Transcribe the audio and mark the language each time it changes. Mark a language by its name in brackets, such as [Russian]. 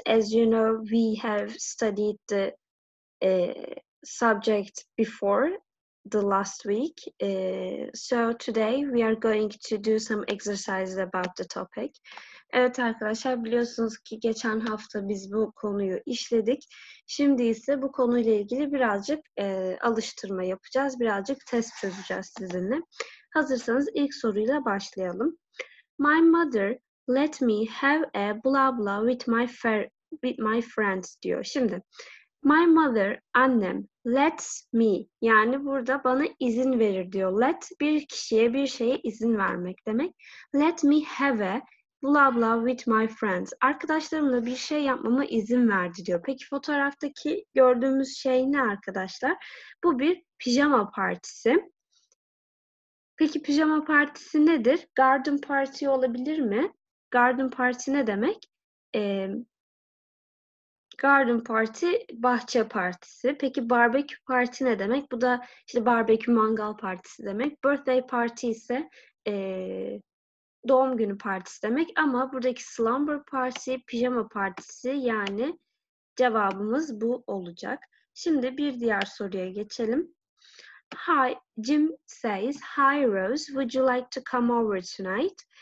[English] As you know, we have studied the subject before the last week. So today we are going to do some exercises about the topic. [Turkish] Evet arkadaşlar, biliyorsunuz ki geçen hafta biz bu konuyu işledik. Şimdi ise bu konuyla ilgili birazcık alıştırma yapacağız, birazcık test çözeceğiz sizinle. Hazırsanız ilk soruyla başlayalım. [English] My mother let me have a blah blah with my friends [Turkish] diyor. Şimdi [English] my mother [Turkish] annem lets me, yani burada bana izin verir diyor. Let bir kişiye bir şeye izin vermek demek. [English] Let me have a blah blah with my friends. [Turkish] Arkadaşlarımla bir şey yapmama izin verdi diyor. Peki fotoğraftaki gördüğümüz şey ne arkadaşlar? Bu bir pijama partisi. Peki pijama partisi nedir? Garden party olabilir mi? Garden party ne demek? Garden party bahçe partisi. Peki barbekü parti ne demek? Bu da işte barbekü mangal partisi demek. Birthday party ise doğum günü partisi demek. Ama buradaki slumber party, pijama partisi, yani cevabımız bu olacak. Şimdi bir diğer soruya geçelim. [English] Hi, Jim says, hi Rose, would you like to come over tonight?